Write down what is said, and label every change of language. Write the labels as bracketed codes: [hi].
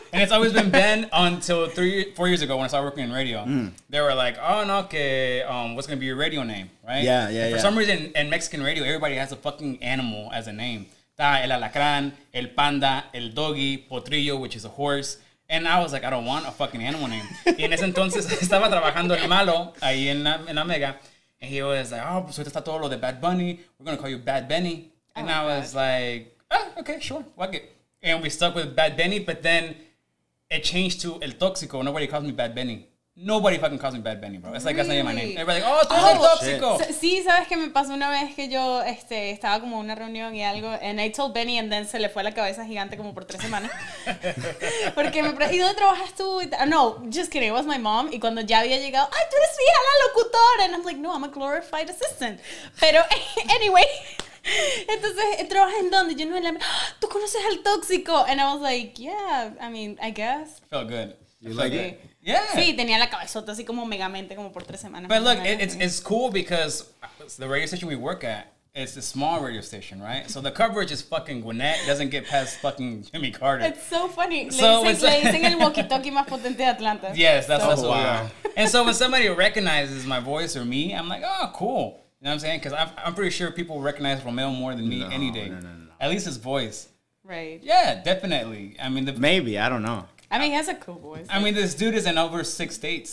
[en] And it's always been Ben until 3-4 years ago when I started working in radio. Mm. They were like, oh, no, okay, what's gonna be your radio name, right? Yeah, yeah, and yeah. For some reason, in Mexican radio, everybody has a fucking animal as a name. [es] Da, el alacrán, el panda, el doggy, potrillo, [en] which is a horse. And I was like, I don't want a fucking animal name. [es] Y en ese entonces estaba trabajando el malo ahí en la mega. [en] And he was like, oh, so [es] está todo lo de [en] Bad Bunny. We're going to call you Bad Benny. And oh, I was God. Like, oh, okay, sure. Fuck it. And we stuck with Bad Benny. But then it changed to El Tóxico. Nobody calls me Bad Benny. Nobody fucking calls me Bad Benny, bro. It's like, really? That's not even my name. Everybody's like, oh, [es] tú eres El Tóxico. Sí, sabes que me pasó una vez que yo estaba como en una reunión y algo. [en] And I told Benny, and then [es] se le fue la cabeza gigante como por 3 semanas. Porque me preguntó, ¿y dónde trabajas tú? [en] No, just kidding. It was my mom. [es] Y cuando ya había llegado, ay, tú eres mi hija, la locutora. [en] And I'm like, no, I'm a glorified assistant. [es] Pero, [en] anyway. [es] Entonces, ¿trabajas en dónde? Yo no la. ¿Tú conoces El Tóxico? [en] And I was like, yeah, I mean, I guess. Felt good. You like it? Yeah. [es] Sí, tenía la cabezota así como megamente como por 3 semanas. [en] But look, it's cool because the radio station we work at, it's a small radio station, right? So the coverage is fucking Gwinnett. Doesn't get past fucking Jimmy Carter. It's so funny. [es] So le dicen el walkie-talkie más potente de Atlanta. [en] Yes, that's what we are. And so when somebody recognizes my voice or me, I'm like, oh, cool. You know what I'm saying? Because I'm pretty sure people recognize Romeo more than me any day. No. At least his voice. Right. Yeah, definitely. I mean, maybe. I don't know. I mean, he has a cool voice. I mean, this dude is in over 6 states.